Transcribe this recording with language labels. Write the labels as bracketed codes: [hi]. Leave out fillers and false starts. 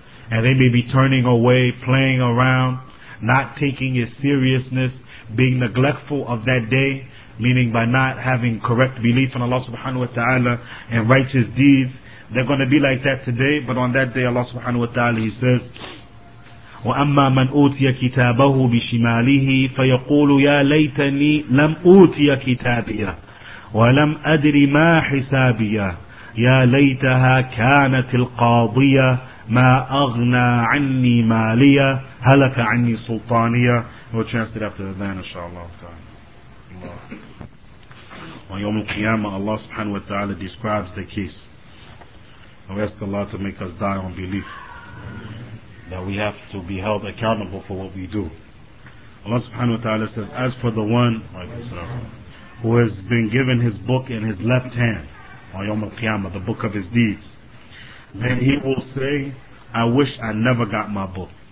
[en] And they may be turning away, playing around, not taking its seriousness, being neglectful of that day, meaning by not having correct belief in Allah subhanahu wa ta'ala and righteous deeds. They're going to be like that today, but on that day Allah subhanahu wa ta'ala He says, [ar] وَأَمَّا مَنْ أُوْتِيَ كِتَابَهُ بِشِمَالِهِ فَيَقُولُ يَا لَيْتَنِي لَمْ أُوْتِيَ كِتَابِيَهُ ولم أدر ما حسابي يا ليتها كانت القاضية ما أغنى عني مالية هلك عني سلطانية. [en] We'll translate after the ban, inshallah. On Yawm al-Qiyamah, Allah subhanahu wa ta'ala describes the case. And we ask Allah to make us die on belief that we have to be held accountable for what we do. Allah subhanahu wa ta'ala says, as for the one who has been given his book in his left hand, on Yawm al-Qiyamah, the book of his deeds, then he will say, I wish I never got my book.